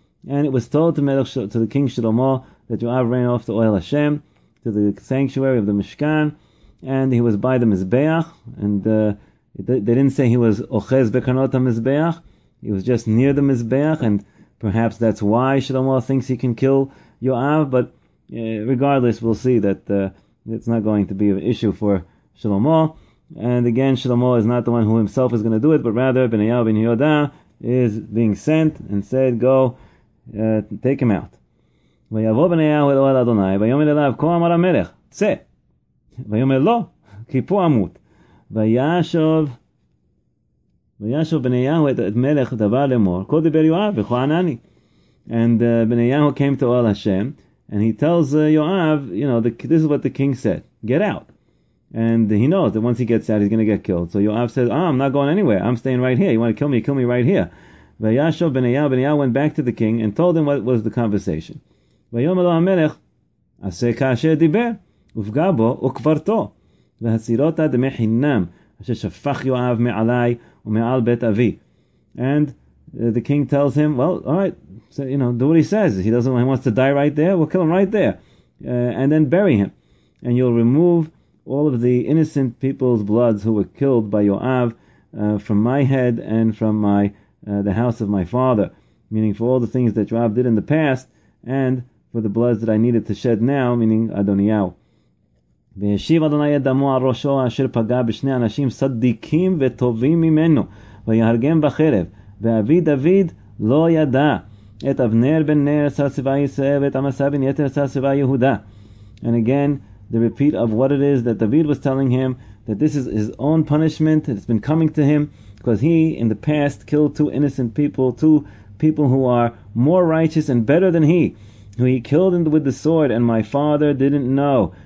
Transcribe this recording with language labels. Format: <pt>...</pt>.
<en>And it was told to the king Shlomo that Yoav ran off to Ohel Hashem, to the sanctuary of the Mishkan, and he was by the Mizbeach, and they didn't say he was Ochez Bekarnot HaMizbeach, he was just near the Mizbeach, and perhaps that's why Shlomo thinks he can kill Yoav, but regardless, we'll see that it's not going to be an issue for Shlomo. And again, Shlomo is not the one who himself is going to do it, but rather Benayahu ben Yehuda is being sent and said, go, take him out.</en> <he>ויבוא בניהו אל אוהל אדוני, ויאמר אליו, כה אמר המלך, צא. ויאמר לא, כי פה אמות. וישוב בניהו את מלך דבר לאמור, כה דיבר יואב, וכה ענני.</he> <en>And בניהו came to Ohel Hashem, and he tells Yoav, you know, this is what the king said, get out. And he knows that once he gets out, he's going to get killed. So Yoav says, oh, I'm not going anywhere, I'm staying right here. You want to kill me right here.</en> <he>ויישוב בניהו,</he> <en>בניהו went back to the king and told him what was the conversation.</en> <he>ויאמר לו המלך, עשה כאשר דיבר, ופגע בו וקברתו. והסירותה דמי חינם אשר שפך יואב מעלי ומעל בית אבי.</he> <en>And the king tells him, well, all right, so, you know, do what he says. He doesn't, he wants to die right there, we'll kill him right there. And then bury him. And you'll remove all of the innocent people's bloods who were killed by Yoav from my head and from my the house of my father. Meaning for all the things that Yoav did in the past and for the bloods that I needed to shed now, meaning Adoniyahu.</en> <he>וישיב אדוני את דמו על ראשו אשר פגע בשני אנשים צדיקים וטובים ממנו ויהרגם בחרב ואבי דוד לא ידע את אבנר בן נר שר צבא ישראל ואת עמסה בן יתר שר צבא יהודה.</he> <en>And again, the repeat of what it is that David was telling him, that this is his own punishment that's been coming to him because he in the past killed two innocent people, two people who are more righteous and better than he, who he killed with the sword and my father didn't know.</en>